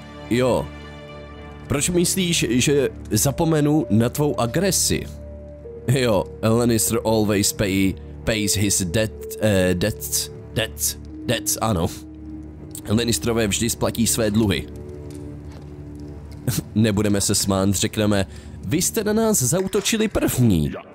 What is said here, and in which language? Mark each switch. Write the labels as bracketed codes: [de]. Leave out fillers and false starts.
[cs] Jo. Proč myslíš, že zapomenu na tvou agresi? [en] Jo, a Lannister always pays his debts, ano. [cs] Lannisterové vždy splatí své dluhy. Nebudeme se smát, řekneme, vy jste na nás zautočili první.